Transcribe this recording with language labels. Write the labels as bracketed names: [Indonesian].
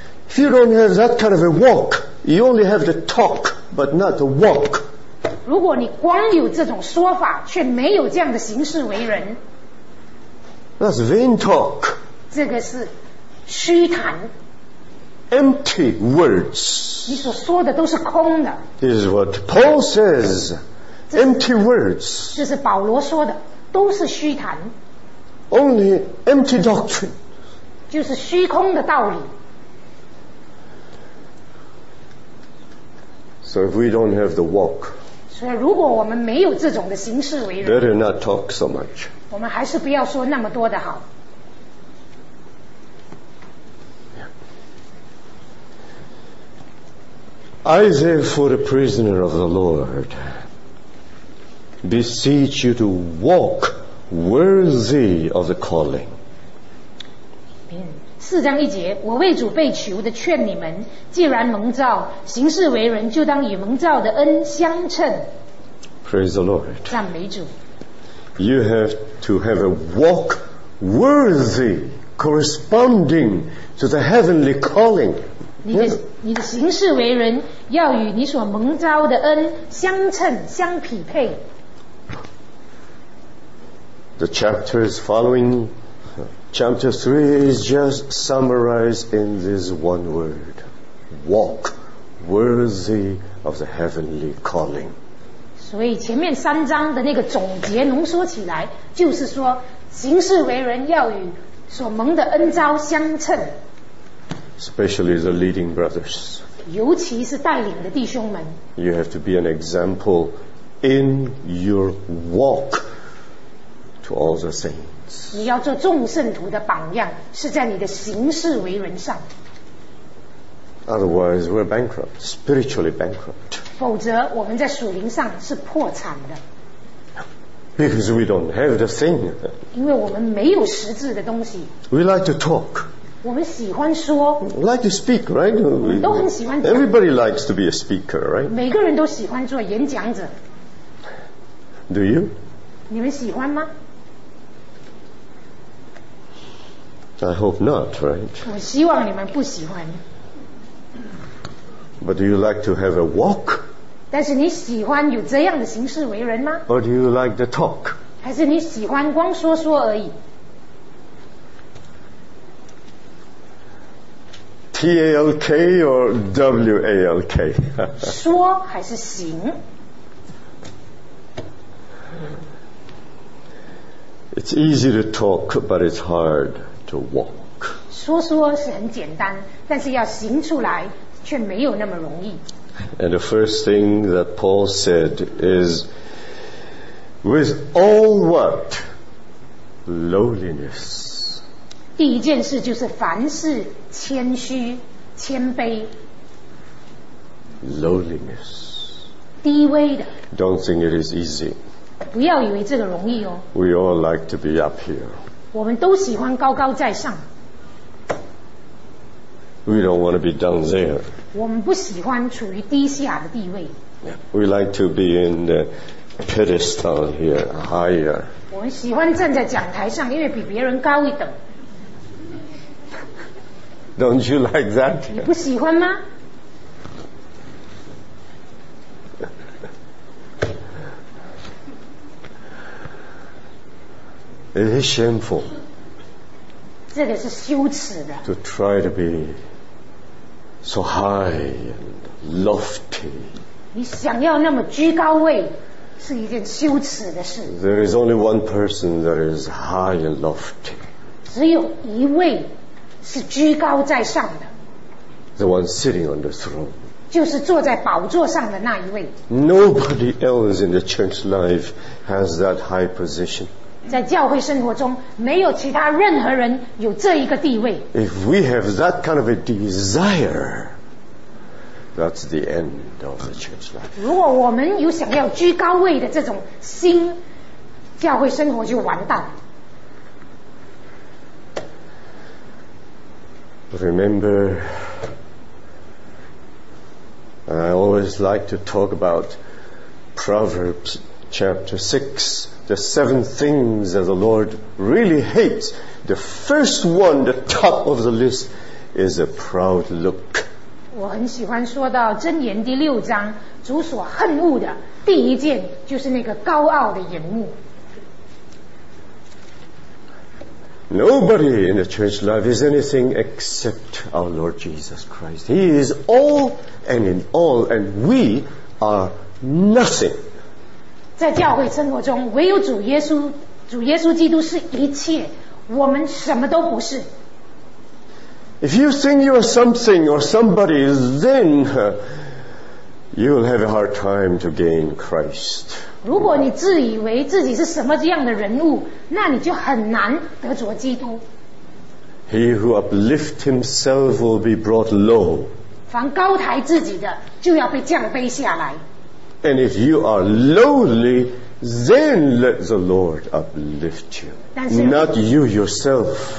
[English] If you don't have that kind of a walk, you only have the talk, but not the walk. [Chinese] 如果你光有这种说法，却没有这样的行事为人 [English] ，That's vain talk. [Chinese] 这个是虚谈。 [English] Empty words. [Chinese] 你所说的都是空的。 [English] This is what Paul says. Empty words. [Chinese] 这是保罗说的，都是虚谈。 [English] Only empty doctrine. [Chinese] 就是虚空的道理。 [English] So if we don't have the walk, [Chinese] 所以如果我们没有这种的行事为人， [English] better not talk so much. [Chinese] 我们还是不要说那么多的好。 [English] I therefore, a prisoner of the Lord, beseech you to walk worthy of the calling. [Chinese] 四章一节，我为主被囚的劝你们，既然蒙召，行事为人就当与蒙召的恩相称。 [English] Praise the Lord. [Chinese] 赞美主。 [English] You have to have a walk worthy, corresponding to the heavenly calling. [Chinese] 你的行事为人要与你所蒙召的恩相称相匹配。 [English] The chapters following chapter 3 is just summarized in this one word, walk worthy of the heavenly calling. [Chinese] 所以前面三章的那个总结浓缩起来就是说，行事为人要与所蒙的恩召相称， [English] Especially the leading brothers. [Chinese] 尤其是带领的弟兄们。 [English] You have to be an example in your walk to all the saints. [Chinese] 你要做众圣徒的榜样，是在你的行事为人上。 [English] Otherwise, we're bankrupt, spiritually bankrupt. [Chinese] 否则，我们在属灵上是破产的。 [English] Because we don't have the thing. [Chinese] 因为我们没有实质的东西。 [English] We like to talk. [Chinese] 我们喜欢说 [English] like to speak, right? [Chinese] 都很喜欢讲。 [English] Everybody likes to be a speaker, right? [Chinese] 每个人都喜欢做演讲者。 [English] Do you? [Chinese] 你们喜欢吗？ [English] I hope not, right? [Chinese] 我希望你们不喜欢。 [English] But do you like to have a walk? [Chinese] 但是你喜欢有这样的行事为人吗？ [English] Or do you like the talk? [Chinese] 还是你喜欢光说说而已？ [English] T-A-L-K or W-A-L-K? [Chinese] 说还是行？ [English] It's easy to talk, but it's hard to walk. [Chinese] 说说是很简单，但是要行出来却没有那么容易。 [English] And the first thing that Paul said is, with all what? Lowliness. [Chinese] 第一件事就是凡事谦虚谦卑。 [English] Lowliness, [Chinese] 低微的。 [English] Don't think it is easy. [Chinese] 不要以为这个容易哦。 [English] We all like to be up here. [Chinese] 我们都喜欢高高在上。 [English] We don't want to be down there. [Chinese] 我们不喜欢处于低下的地位。 [English] We like to be in the pedestal here, higher. [Chinese] 我们喜欢站在讲台上，因为比别人高一等。 [English] Don't you like that? [Chinese] 你不喜欢吗？ [English] It is shameful. [Chinese] 这个是羞耻的。 [English] To try to be so high and lofty. [Chinese] 你想要那么居高位，是一件羞耻的事。 [English] There is only one person that is high and lofty. [Chinese] 只有一位。是居高在上的。 [English] The one sitting on the throne. [Chinese] 就是坐在宝座上的那一位。 [English] Nobody else in the church life has that high position. [Chinese] 在教会生活中，没有其他任何人有这一个地位。 [English] If we have that kind of a desire, that's the end of the church life. [Chinese] 如果我们有想要居高位的这种心，教会生活就完蛋了。 [English] Remember, I always like to talk about Proverbs chapter 6, the seven things that the Lord really hates. The first one, the top of the list, is a proud look. [Chinese] 我很喜欢说到箴言第六章，主所恨恶的第一件就是那个高傲的眼目。 [English] Nobody in the church life is anything except our Lord Jesus Christ. He is all and in all, and we are nothing. [Chinese] 在教会生活中，唯有主耶稣，主耶稣基督是一切，我们什么都不是。 [English] If you think you are something or somebody, then you will have a hard time to gain Christ. [Chinese] 如果你自以为自己是什么样的人物，那你就很难得着基督。 [English] He who uplifts himself will be brought low. [Chinese] 凡高抬自己的，就要被降卑下来。 [English] And if you are lowly, then let the Lord uplift you, not you yourself.